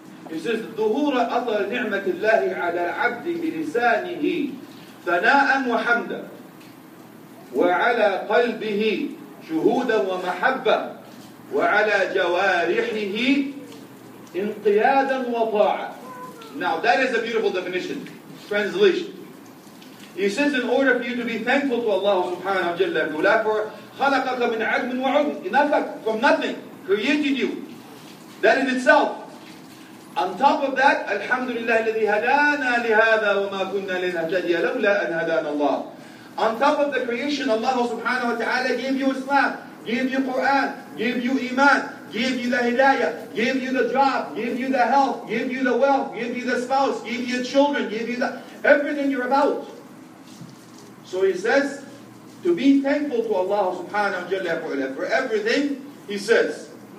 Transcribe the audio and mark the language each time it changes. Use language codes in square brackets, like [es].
[en] He says, [ar] ظُهُورَ أَطَرْ نِعْمَةِ اللَّهِ عَلَى الْعَبْدِ بِلِسَانِهِ ثَنَاءً وَحَمْدًا وَعَلَى قَلْبِهِ شُهُودًا وَمَحَبَّةً وَعَلَى جَوَارِحِهِ انْقِيَادًا وَطَاعًا. [en] Now that is a beautiful definition, translation. He says, in order for you to be thankful to Allah subhanahu wa jalla wa for [ar] خَلَقَكَ مِنْ عَدْمٍ وَعُدْمٍ, [en] enough from nothing, created you. That in itself. On top of that, [ar] alhamdulillah الَّذِي هَدَانَا لِهَذَا وَمَا كُنَّا لِنَهْتَدِيَ لَوْلَا أَنْ هَدَانَ اللَّهُ. [en] On top of the creation, Allah subhanahu wa ta'ala gave you Islam, gave you Quran, gave you Iman, gave you the hidayah, gave you the job, gave you the health, gave you the wealth, gave you the spouse, gave you children, gave you the everything you're about. So he says, to be thankful to Allah subhanahu wa jalla wa for everything, he says.